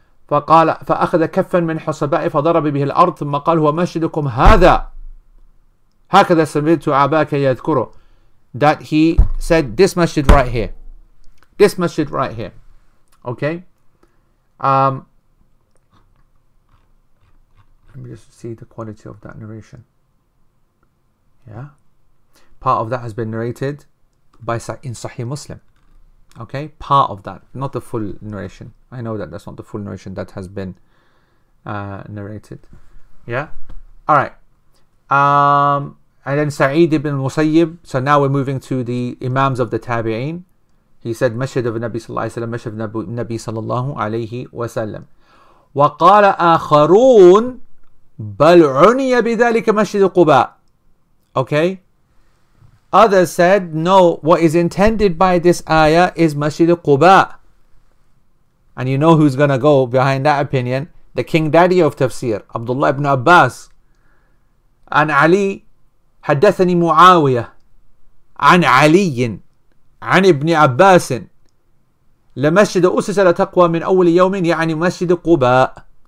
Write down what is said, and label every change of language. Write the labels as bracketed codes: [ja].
[ar] فقال فأخذ كفا من حصباء فضرب به الأرض ثم قال هو مسجدكم هذا هكذا سمعت عباك يذكره. [en] That he said this masjid right here, this masjid right here. Okay, let me just see the quality of that narration. Yeah, part of that has been narrated by in Sahih Muslim. Okay, part of that, not the full narration. I know that that's not the full narration that has been narrated. Yeah, all right. And then Sa'id ibn Musayyib. So now we're moving to the Imams of the Tabi'een. He said, "Masjid of Nabi sallallahu alayhi wa sallam, Masjid of Nabi sallallahu alayhi wa sallam." [ar] وَقَالَ آخَرُونَ بَلْ عُنِيَ بِذَلِكَ مَسْجِدُ قُبَى. [en] Okay. Others said, no, what is intended by this ayah is Masjid al-Quba. And you know who's going to go behind that opinion? The King Daddy of Tafsir, Abdullah ibn Abbas. And Ali, [ar] حدثني معاوية عن علي عن ابن عباس لمسجد أسس لتقوى من أول يوم يعني Masjid al-Quba.